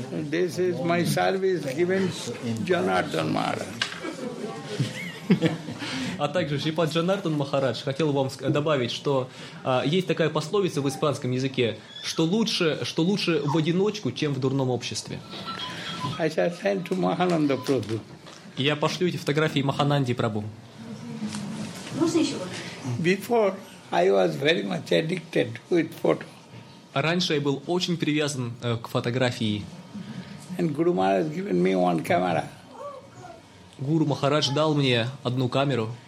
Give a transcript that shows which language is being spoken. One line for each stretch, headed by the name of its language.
English: This is my service given Janardhan Maharaj.
Russian: А также Шипад Джанардан Махарадж хотел вам добавить, что есть такая пословица в испанском языке, что лучше в одиночку, чем в дурном обществе.
English: I shall send to Mahananda Prabhu.
Russian: Я пошлю эти фотографии Махананди Прабу.
English: Before I was very much addicted with photo.
Russian: Раньше я был очень привязан к фотографии.
English: And Guru Maharaj given me one camera.
Russian: Гуру Махарадж дал мне одну камеру.